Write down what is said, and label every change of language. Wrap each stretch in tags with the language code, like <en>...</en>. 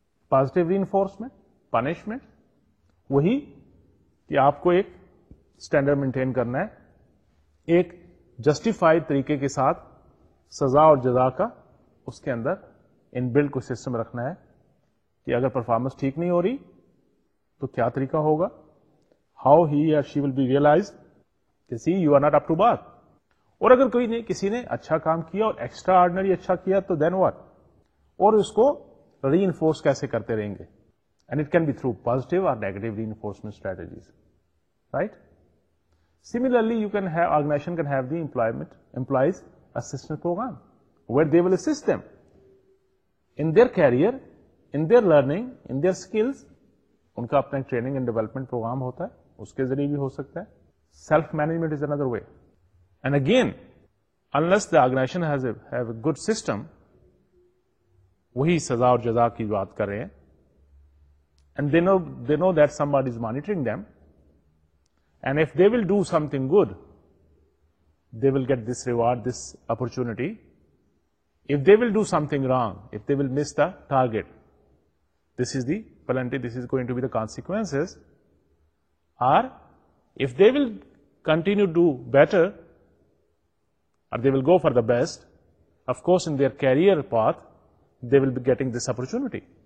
<ur>Positive ری enforcement, punishment, وہی کہ آپ کو ایک اسٹینڈرڈ مینٹین کرنا ہے, ایک جسٹیفائیڈ طریقے کے ساتھ سزا اور جزا کا اس کے اندر ان بلڈ کو سسٹم رکھنا ہے کہ اگر پرفارمنس ٹھیک نہیں ہو رہی تو کیا طریقہ ہوگا,</ur> <en>how he or she will be realize</en> <ur>کہ</ur> <en>See you are not up to par.</en> <ur>اور اگر کوئی نہیں, کسی نے اچھا کام کیا اور ایکسٹرا آرڈنری اچھا کیا تو</ur> <en>then what,</en> <ur>اور اس کو ری انفورس کیسے کرتے رہیں گے,</ur> <en>And it can be through positive or negative reinforcement strategies, right. Similarly, you can have, organization can have the employees assistance program where they will assist them in their career in their learning in their skills.</en> <ur>ان کا اپنا training and development programme ہوتا ہے, اس کے ذریعے بھی ہو سکتا ہے.</ur> <en>Self management is under way. And again unless the organisation has a good system,</en> <ur>وہی سزا اور جزا کی بات کر رہے ہیں.</ur> <en>And they know that somebody is monitoring them, and if they will do something good they will get this reward this opportunity. If they will do something wrong, if they will miss the target, this is the penalty, this is going to be the consequences. Or if they will continue to do better, or they will go for the best, of course in their career path, they will be getting this opportunity.</en>